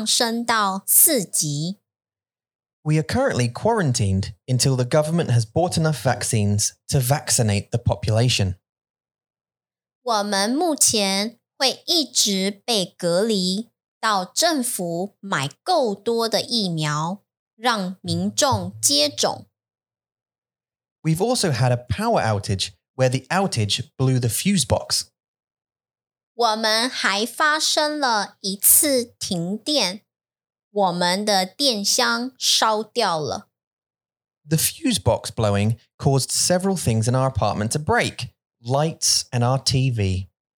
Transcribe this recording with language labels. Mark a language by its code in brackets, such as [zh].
[zh] 这也意味着疫情警戒很有可能从3级上升到4级。 [en] We are currently quarantined until the government has bought enough vaccines to vaccinate the population. [zh] 我们目前会一直被隔离到政府买够多的疫苗让民众接种。 [en] We've also had a power outage where the outage blew the fuse box. [zh] 我们还发生了一次停电。 [en] The fuse box blowing caused several things in our apartment to break, lights and our TV.